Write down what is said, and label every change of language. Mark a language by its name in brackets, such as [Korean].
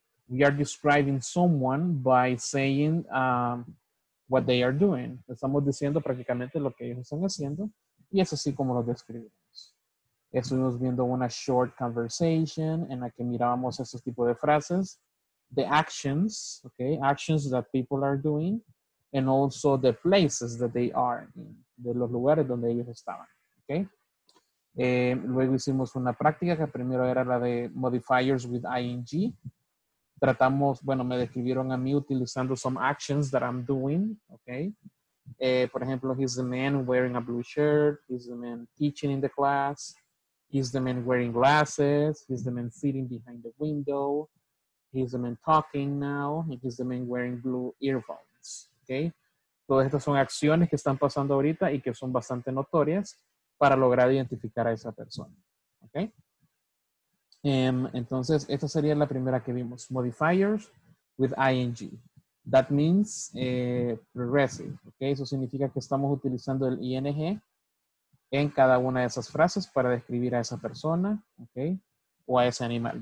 [English] We are describing someone by saying what they are doing. [Spanish] Estamos diciendo prácticamente lo que ellos están haciendo y es así como lo describimos. Estuvimos viendo una [English] short conversation [Spanish] en la que mirábamos esos tipos de frases, [English] the actions, [Spanish] okay? [English] Actions that people are doing and also the places that they are in, [Spanish] de los lugares donde ellos estaban, [English] okay? [Spanish] Luego hicimos una práctica que primero era la de [English] modifiers with ing. [Spanish] Tratamos, bueno, me describieron a mí utilizando [English] some actions that I'm doing, [Spanish] okay? Por ejemplo, [English] he's the man wearing a blue shirt, he's the man teaching in the class, he's the man wearing glasses, he's the man sitting behind the window, he's the man talking now, and he's the man wearing blue earphones, okay? [Spanish] Todas estas son acciones que están pasando ahorita y que son bastante notorias para lograr identificar a esa persona, ¿ok? Entonces, esta sería la primera que vimos. [English] Modifiers with ing. That means progressive, [Spanish] ¿ok? Eso significa que estamos utilizando el ing en cada una de esas frases para describir a esa persona, ¿ok? O a ese animal.